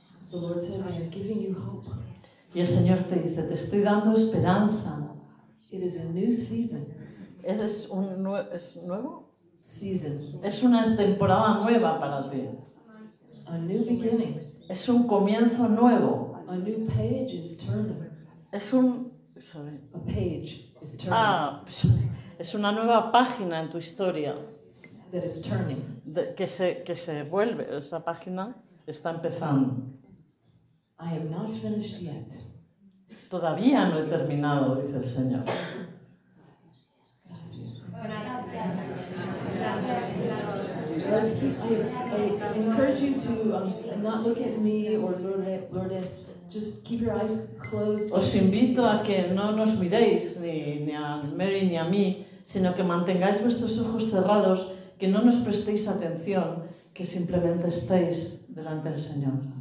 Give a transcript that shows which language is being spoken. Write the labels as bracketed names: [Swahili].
[English] The Lord says, I am giving you hope. [Spanish] Y el Señor te dice, te estoy dando esperanza. [English] It is a new season. [Spanish] Eres un es nuevo [English] season. [Spanish] Es una temporada nueva para ti. [English] A new beginning. [Spanish] Es un comienzo nuevo. [English] A new page is turning. [Spanish] Es un sorry. [English] A page is turning. Ah, sorry. [Spanish] Es una nueva página en tu historia. [English] That is turning. [Spanish] Que se vuelve, esa página está empezando. [English] I am not finished yet. [Spanish] Todavía no he terminado, dice el Señor. [English] I encourage you to not look at me or Lourdes. Just keep your eyes closed. [Spanish] Os invito a que no nos miréis ni a Mary ni a mí, sino que mantengáis vuestros ojos cerrados. Que no nos prestéis atención, que simplemente estéis delante del Señor.